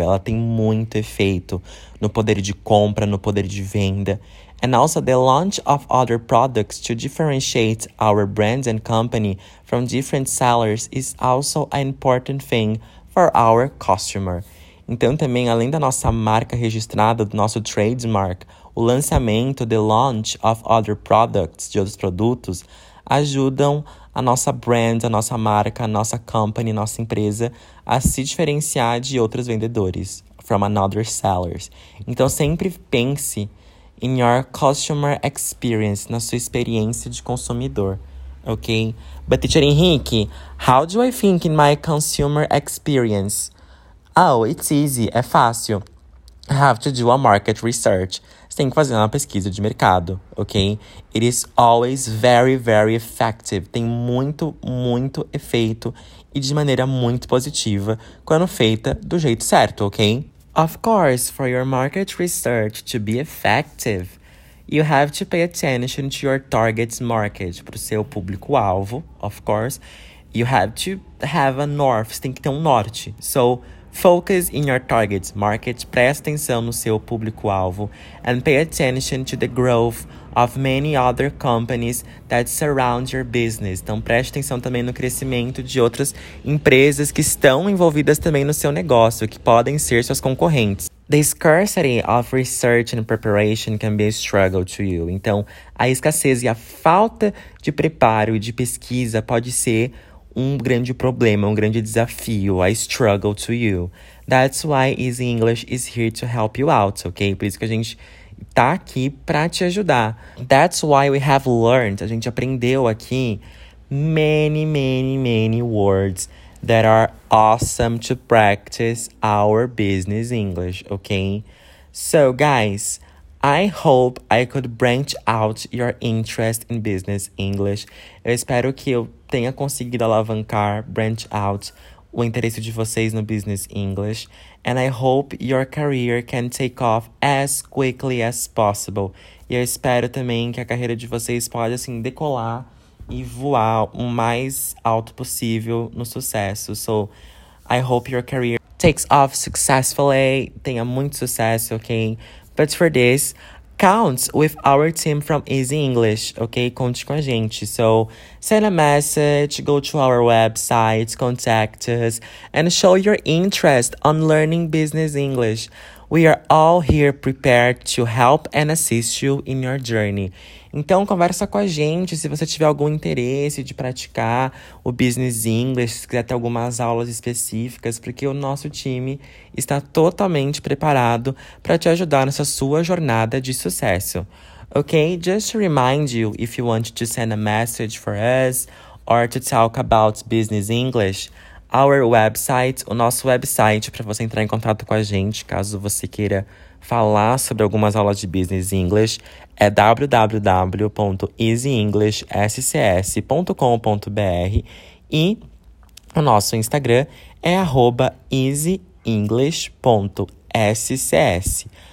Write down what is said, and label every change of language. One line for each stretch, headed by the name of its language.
Portuguese: Ela tem muito efeito no poder de compra, no poder de venda.
English: And also the launch of other products to differentiate our brand and company from different sellers is also an important thing for our customer.
Portuguese: Então também, além da nossa marca registrada, do nosso trademark, o lançamento,
English: the launch of other products,
Portuguese: de outros produtos, ajudam a nossa brand, a nossa marca, a nossa company, nossa empresa, a se diferenciar de outros vendedores,
English: from another sellers.
Portuguese: Então sempre pense
English: in your customer experience,
Portuguese: na sua experiência de consumidor, ok?
English: But teacher Henrique, how do I think in my consumer experience? Oh, it's easy,
Portuguese: é fácil.
English: I have to do a market research.
Portuguese: Você tem que fazer uma pesquisa de mercado, ok?
English: It is always very, very effective.
Portuguese: Tem muito, muito efeito e de maneira muito positiva quando feita do jeito certo, ok?
English: Of course, for your market research to be effective, you have to pay attention to your target market, pro seu público-alvo, of course. You have to have a north,
Portuguese: você tem que ter um norte.
English: So, focus in your target market,
Portuguese: presta atenção no seu público-alvo,
English: and pay attention to the growth of many other companies that surround your business.
Portuguese: Então, preste atenção também no crescimento de outras empresas que estão envolvidas também no seu negócio, que podem ser suas concorrentes.
English: The scarcity of research and preparation can be a struggle to you.
Portuguese: Então, a escassez e a falta de preparo e de pesquisa pode ser um grande problema, um grande desafio,
English: a struggle to you. That's why Easy English is here to help you out, ok?
Portuguese: Por isso que a gente tá aqui pra te ajudar.
English: That's why we have learned,
Portuguese: a gente aprendeu aqui,
English: many, many, many words that are awesome to practice our business English, ok? So, guys, I hope I could branch out your interest in business English.
Portuguese: Eu espero que eu tenha conseguido alavancar,
English: branch out,
Portuguese: o interesse de vocês no business English.
English: And I hope your career can take off as quickly as possible.
Portuguese: E eu espero também que a carreira de vocês pode, assim, decolar e voar o mais alto possível no sucesso.
English: So, I hope your career takes off successfully,
Portuguese: tenha muito sucesso, ok?
English: But for this, count with our team from Easy English, ok?
Portuguese: Conte com a gente.
English: So, send a message, go to our website, contact us, and show your interest on learning business English. We are all here prepared to help and assist you in your journey.
Portuguese: Então, conversa com a gente se você tiver algum interesse de praticar o business English, se quiser ter algumas aulas específicas, porque o nosso time está totalmente preparado para te ajudar nessa sua jornada de sucesso.
English: Ok? Just to remind you, if you want to send a message for us or to talk about business English, our website,
Portuguese: o nosso website para você entrar em contato com a gente, caso você queira falar sobre algumas aulas de Business English, é www.easyenglishscs.com.br e o nosso Instagram é @easyenglish.scs.